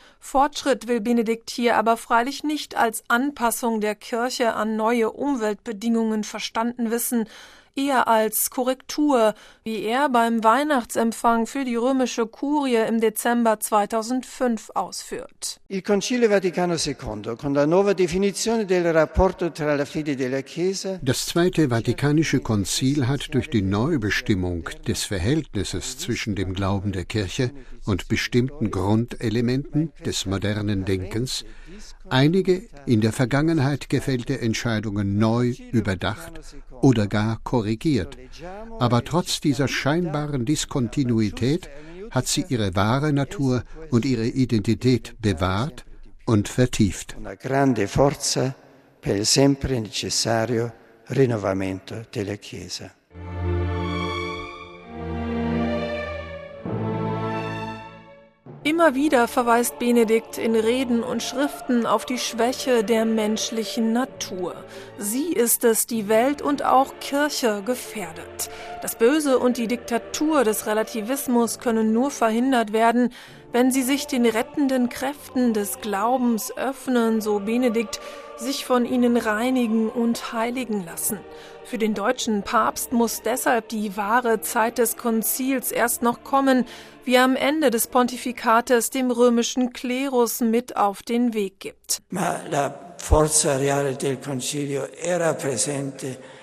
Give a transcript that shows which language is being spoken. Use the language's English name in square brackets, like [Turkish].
[German] Fortschritt will Benedikt hier aber freilich nicht als Anpassung der Kirche an neue Umweltbedingungen verstanden wissen, eher als Korrektur, wie er beim Weihnachtsempfang für die römische Kurie im Dezember 2005 ausführt. [Italian] Il Concilio Vaticano II, con la nuova definizione del rapporto tra la fede della Chiesa. [German] Das Zweite Vatikanische Konzil hat durch die Neubestimmung des Verhältnisses zwischen dem Glauben der Kirche und bestimmten Grundelementen des modernen Denkens einige in der Vergangenheit gefällte Entscheidungen neu überdacht oder gar korrigiert. Aber trotz dieser scheinbaren Diskontinuität hat sie ihre wahre Natur und ihre Identität bewahrt und vertieft. [Italian] Una grande forza per il sempre necessario rinnovamento della Chiesa. [German] Immer wieder verweist Benedikt in Reden und Schriften auf die Schwäche der menschlichen Natur. Sie ist es, die Welt und auch Kirche gefährdet. Das Böse und die Diktatur des Relativismus können nur verhindert werden, wenn sie sich den rettenden Kräften des Glaubens öffnen, so Benedikt, sich von ihnen reinigen und heiligen lassen. Für den deutschen Papst muss deshalb die wahre Zeit des Konzils erst noch kommen, wie er am Ende des Pontifikates dem römischen Klerus mit auf den Weg gibt. [Italian] Ma la forza reale del Concilio era presente.